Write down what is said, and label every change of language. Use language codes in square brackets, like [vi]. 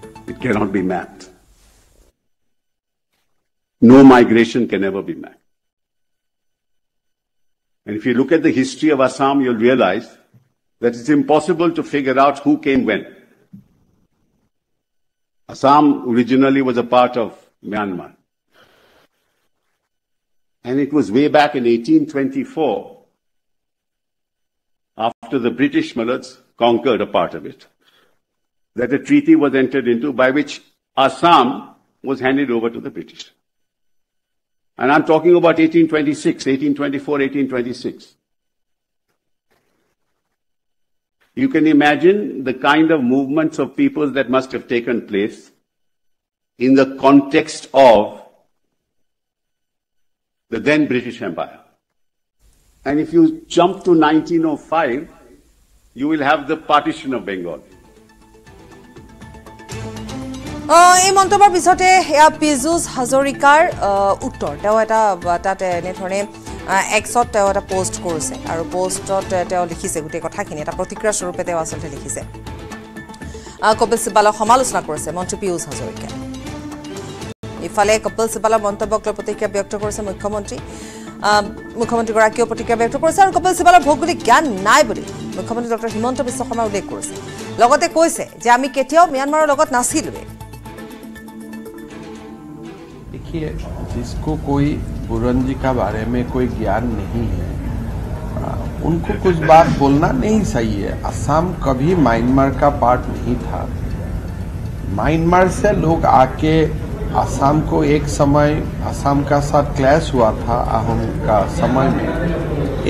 [en] It can't be mat, no migration can ever be mat, and if you look at the history of Assam you will realise that it's impossible to figure out who came when. Assam originally was a part of Myanmar. And it was way back in 1824, after the British Mulats conquered a part of it, that a treaty was entered into by which Assam was handed over to the British. And I'm talking about 1826, 1824, 1826. You can imagine the kind of movements of people that must have taken place in the context of the then British Empire. And if you jump to 1905, you will have the partition of Bengal. [as] এই মন্তব্যৰ পিছতে এয়া পীযুষ হাজৰিকাৰ উত্তৰ। তেওঁ এটা তাত এনেধৰণে এক্সত তেওঁ এটা পোষ্ট কৰিছে আৰু পোষ্টত তেওঁ লিখিছে গোটেই কথাখিনি এটা প্ৰতিক্ৰিয়া স্বৰূপে তেওঁ আচলতে লিখিছে। কপিল সিব্বালক সমালোচনা কৰিছে মন্ত্ৰী পীযুষ হাজৰিকাই। ইফালে কপিল সিব্বালৰ মন্তব্যক লৈ প্ৰতিক্ৰিয়া ব্যক্ত কৰিছে মুখ্যমন্ত্ৰী। মুখ্যমন্ত্ৰীগৰাকীয়ে প্ৰতিক্ৰিয়া ব্যক্ত কৰিছে আৰু কপিল সিব্বালৰ ভৌগোলিক জ্ঞান নাই বুলি মুখ্যমন্ত্ৰী ডক্টৰ হিমন্ত বিশ্ব শৰ্মাই উল্লেখ কৰিছে। লগতে কৈছে যে আমি কেতিয়াও ম্যানমাৰৰ লগত নাছিলোৱে। [hi] देखिए, जिसको कोई बुरंजी का बारे में कोई ज्ञान नहीं है उनको कुछ बात बोलना नहीं सही है। असम कभी म्यांमार का पार्ट नहीं था। म्यांमार से लोग आके असम को एक समय असम का साथ क्लैश हुआ था अहम का समय में।